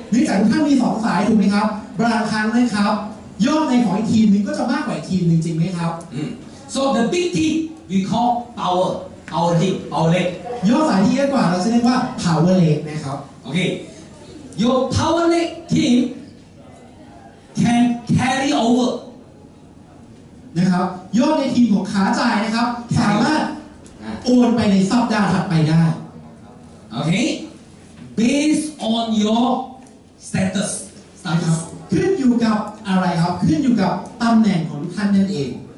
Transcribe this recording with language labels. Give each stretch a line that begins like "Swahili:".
Thai: เนื่องจากทุกท่านมี2สายถูกไหมครับบางครั้งนะครับยอดในของอีกทีมนึงก็จะมากกว่าอีกทีมนึงจริงไหมครับ
English: so the big team we call power team power leg
Thai: ยอดสายที่เยอะกว่าเราจะเรียกว่า power leg นะครับ
English: okay your power leg team can carry over
Thai: นะครับยอดในทีมของขาจ่ายนะครับสามารถโอนไปในสัปดาห์ถัดไปได้
English: Okay, based on your status.
Thai: ขึ้นอยู่กับอะไรครับขึ้นอยู่กับตำแหน่งของท่านนั่นเอง